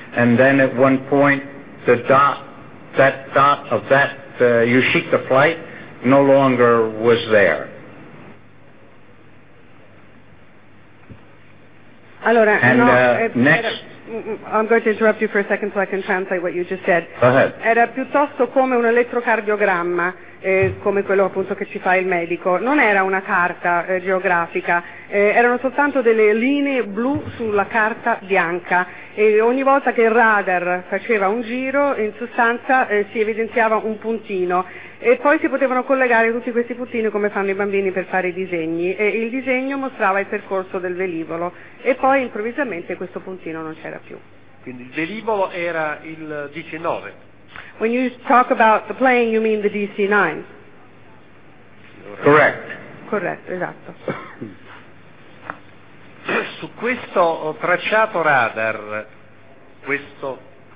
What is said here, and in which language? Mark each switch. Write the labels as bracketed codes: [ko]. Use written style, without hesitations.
[en] And then at one point, that Yoshika flight no longer was there. [it] Allora, [en] and no, next... I'm going to interrupt you for a second so I can translate what you just said. Go ahead. [it] Era piuttosto come un elettrocardiogramma, come quello appunto che ci fa il medico. Non era una carta geografica, erano soltanto delle linee blu sulla carta bianca, e ogni volta che il radar faceva un giro, in sostanza si evidenziava un puntino, e poi si potevano collegare tutti questi puntini come fanno i bambini per fare i disegni, e il disegno mostrava il percorso del velivolo, e poi improvvisamente questo puntino non c'era più. Quindi il velivolo era il 19. [en] When you talk about the plane, you mean the DC-9? Correct. Correct, [it] esatto. su questo tracciato radar, questo...